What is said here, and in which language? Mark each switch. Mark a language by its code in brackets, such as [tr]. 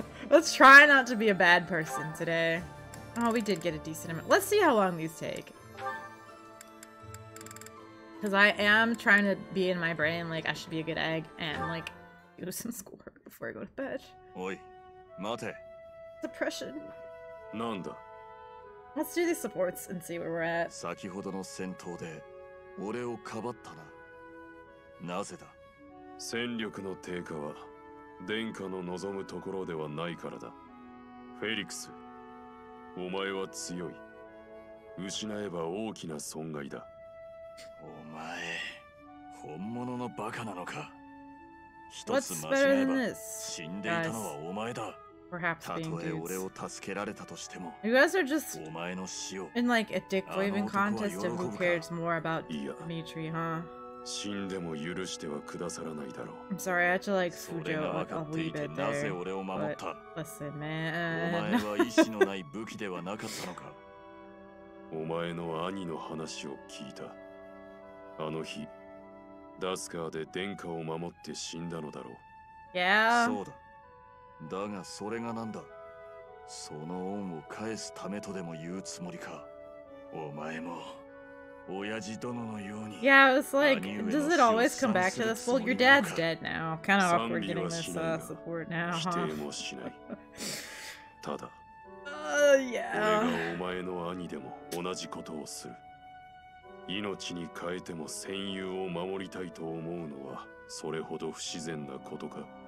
[en] Let's try not to be a bad person today. Oh, we did get a decent amount. Let's see how long these take. Because I am trying to be in my brain, like, I should be a good egg and, like, do some schoolwork before I go to bed. Oi, mate. Depression. [ja] Nanda. [en] Let's do the supports and see where we're at. [ja] 先ほどの戦闘で俺をかばったな。なぜだ? 戦力の低下は殿下の望むところではないからだ。フェリクス、 お前は強い。失えば大きな損害だ。お前、 本物のバカなのか? 一つ間違えば死んでいたのはお前だ。 [en] Perhaps being dudes. You guys are just in like a dick waving contest of who cares more about Dimitri, huh? I'm sorry, I had to like Fujo a wee bit there. But listen, man. I heard your brother's story. That day, Daskar died to protect the Emperor. Yeah. [ja] だがそれがなんだ? その恩を返すためとでも言うつもりか?お前も親父殿のように [en] Yeah, it's like, does it always come back to this? Well, your dad's dead now. Kind of awkward getting this support now, huh? [ja] 否定もしない ただ [en] yeah [ja] 俺がお前の兄でも同じことをする 命に変えても戦友を守りたいと思うのは それほど不自然なことか?